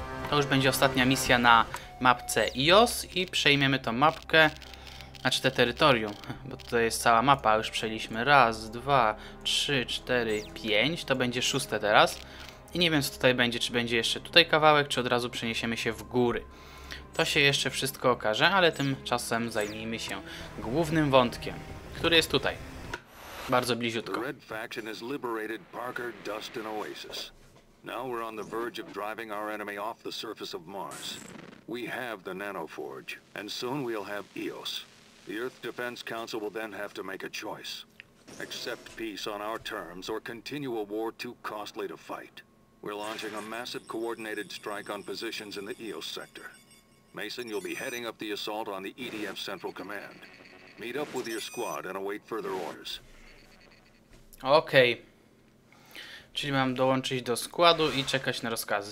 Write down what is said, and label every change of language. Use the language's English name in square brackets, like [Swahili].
[Polish] To już będzie ostatnia misja na mapce IOS i przejmiemy tą mapkę, znaczy te terytorium, bo to jest cała mapa, już przejęliśmy raz, dwa, trzy, cztery, pięć, to będzie szóste teraz. I nie wiem, co tutaj będzie, czy będzie jeszcze tutaj kawałek, czy od razu przeniesiemy się w góry. To się jeszcze wszystko okaże, ale tymczasem zajmijmy się głównym wątkiem, który jest tutaj. Bardzo bliziutko. [English] Red Faction has liberated Parker, Dust and Oasis. Now we're on the verge of driving our enemy off the surface of Mars. We have the Nanoforge, and soon we'll have EOS. The Earth Defense Council will then have to make a choice. Accept peace on our terms, or continue a war too costly to fight. We're launching a massive coordinated strike on positions in the EOS sector. Mason, you'll be heading up the assault on the EDF Central Command. Meet up with your squad and await further orders. [Polish] Okej. Czyli mam dołączyć do składu i czekać na rozkazy.